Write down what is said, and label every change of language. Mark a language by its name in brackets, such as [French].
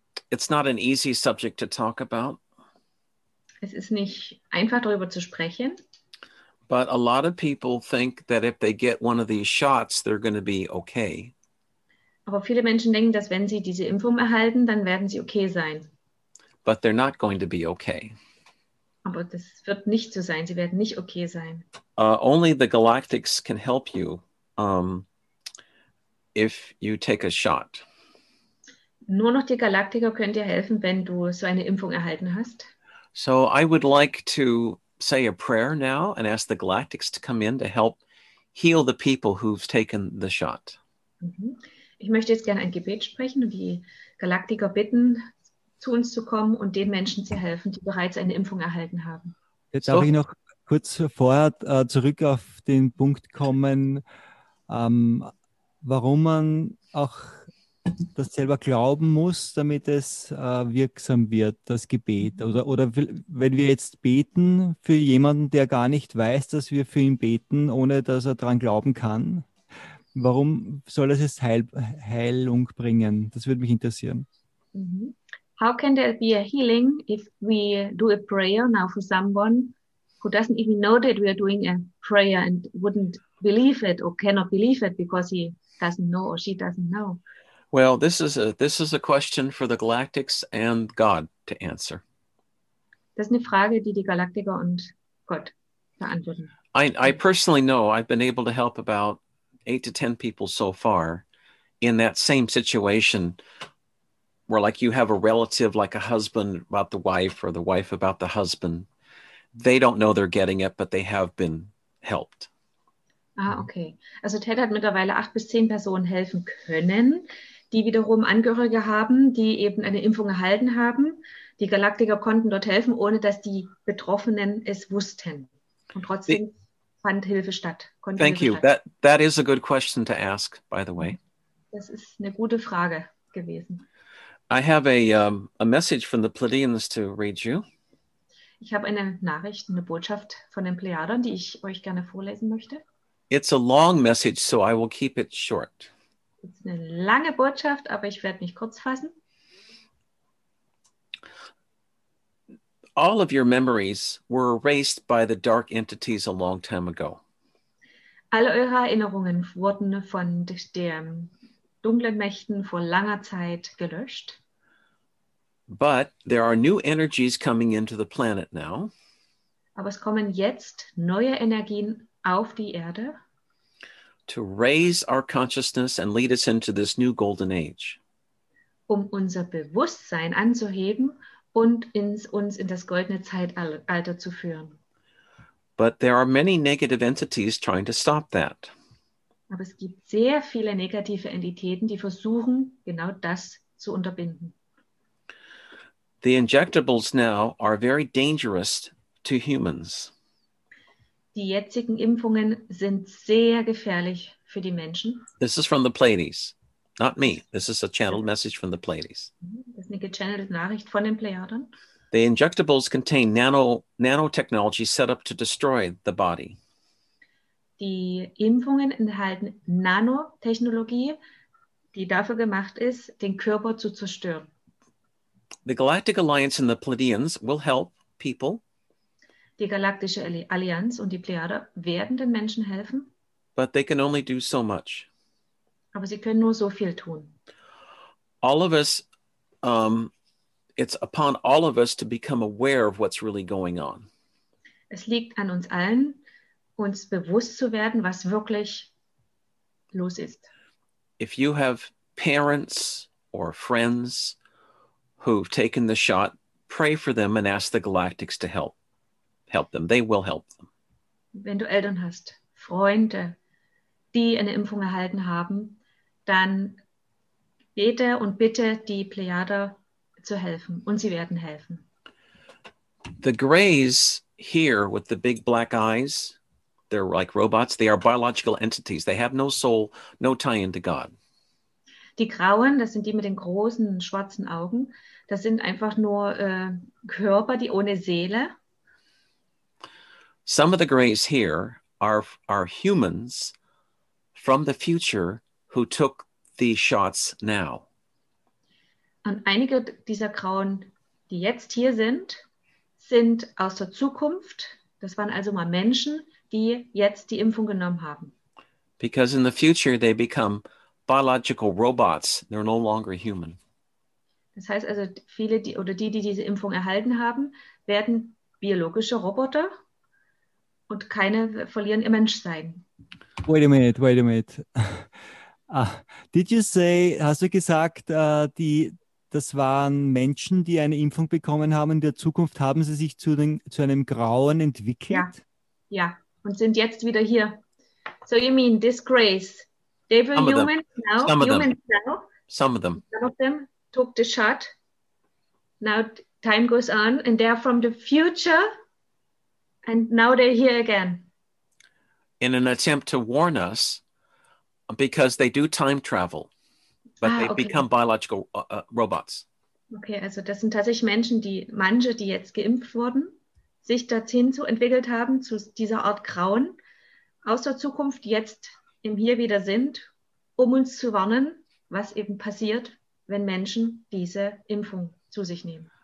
[English] It's not an easy subject to talk about. [German] Es ist nicht einfach, darüber zu sprechen. [English] But a lot of people think that if they get one of these shots, they're going to be okay. [German] Aber viele Menschen denken, dass wenn sie diese Impfung erhalten, dann werden sie okay sein. [English] But they're not going to be okay. [German] Aber das wird nicht so sein. Sie werden nicht okay sein. [English] Only the galactics can help you if you take a shot. [German] Nur noch die Galaktiker können dir helfen, wenn du so eine Impfung erhalten hast. [English] So I would like to say a prayer now and ask the galactics to come in to help heal the people who've taken the shot. [German] Ich möchte jetzt gerne ein Gebet sprechen und die Galaktiker bitten, zu uns zu kommen und den Menschen zu helfen, die bereits eine Impfung erhalten haben. Jetzt darf ich noch kurz vorher zurück auf den Punkt kommen, warum man auch das selber glauben muss, damit es wirksam wird, das Gebet. Oder wenn wir jetzt beten für jemanden, der gar nicht weiß, dass wir für ihn beten, ohne dass er daran glauben kann, warum soll das jetzt Heilung bringen? Das würde mich interessieren. [English] How can there be a healing if we do a prayer now for someone who doesn't even know that we are doing a prayer and wouldn't believe it or cannot believe it because he doesn't know or she doesn't know? Well, this is a question for the Galactics and God to answer. [German] Das ist eine Frage, die Galaktiker und Gott beantworten. [English] I personally know I've been able to help about 8 to 10 people so far in that same situation where like you have a relative, like a husband about the wife or the wife about the husband. They don't know they're getting it, but they have been helped. Ah, okay. [German] Also Ted hat mittlerweile 8 bis 10 Personen helfen können, die wiederum Angehörige haben, die eben eine Impfung erhalten haben. Die Galaktiker konnten dort helfen, ohne dass die Betroffenen es wussten. Und trotzdem fand Hilfe statt. [English] Thank you. That is a good question to ask, by the way. [German] Das ist eine gute Frage gewesen. [English] I have a message from the Pleiadians to read you. [German] Ich habe eine Nachricht, eine Botschaft von den Plejadern, die ich euch gerne vorlesen möchte. [English] It's a long message, so I will keep it short. [German] Das ist eine lange Botschaft, aber ich werde mich kurz fassen. [English] All of your memories were erased by the dark entities a long time ago. [German] Alle eure Erinnerungen wurden von den dunklen Mächten vor langer Zeit gelöscht. [English] But there are new energies coming into the planet now. [German] Aber es kommen jetzt neue Energien auf die Erde. [English] To raise our consciousness and lead us into this new golden age. [German] Um unser Bewusstsein anzuheben und uns in das goldene Zeitalter zu führen. [English] But there are many negative entities trying to stop that. [German] Aber es gibt sehr viele negative Entitäten, die versuchen, genau das zu unterbinden. [English] The injectables now are very dangerous to humans. [German] Die jetzigen Impfungen sind sehr gefährlich für die Menschen. [English] This is from the Pleiades, not me. This is a channeled message from the Pleiades. [German] Das ist eine gechannelte Nachricht von den Plejadern. [English] The injectables contain nanotechnology set up to destroy the body. [German] Die Impfungen enthalten Nanotechnologie, die dafür gemacht ist, den Körper zu zerstören. [English] The Galactic Alliance and the Pleiadians will help people. [German] Die Galaktische Allianz und die Plejader werden den Menschen helfen. [English] But they can only do so much. [German] Aber sie können nur so viel tun. [English] All of us, it's upon all of us to become aware of what's really going on. [German] Es liegt an uns allen, uns bewusst zu werden, was wirklich los ist. [English] If you have parents or friends who've taken the shot, pray for them and ask the Galactics to help. Help them. They will help them. [German] Wenn du Eltern hast, Freunde, die eine Impfung erhalten haben, dann bete und bitte die Plejader zu helfen und sie werden helfen. [English] The Greys here with the big black eyes, they're like robots. They are biological entities. They have no soul, no tie into God. [German] Die Grauen, das sind die mit den großen schwarzen Augen, das sind einfach nur Körper, die ohne Seele. [English] Some of the greys here are humans from the future who took the shots now. [German] Und einige dieser Grauen, die jetzt hier sind, sind aus der Zukunft. Das waren also mal Menschen, die jetzt die Impfung genommen haben. [English] Because in the future they become biological robots. They're no longer human. [German] Das heißt also, viele, die, oder die diese Impfung erhalten haben, werden biologische Roboter und keine verlieren ihr Menschsein. [English] Wait a minute. [German] Das waren Menschen, die eine Impfung bekommen haben. In der Zukunft haben sie sich zu einem Grauen entwickelt. Ja, und sind jetzt wieder hier. [English] So you mean disgrace. They were Some of them. Some of them took the shot. Now time goes on and they are from the future. And now they're here again. In an attempt to warn us, because they do time travel. But they become biological robots. [German] Okay, also das sind tatsächlich Menschen, die manche, die jetzt geimpft wurden, sich dorthin zu entwickelt haben, zu dieser Art Grauen aus der Zukunft, die jetzt im Hier wieder sind, um uns zu warnen, was eben passiert, wenn Menschen diese Impfung zu sich nehmen.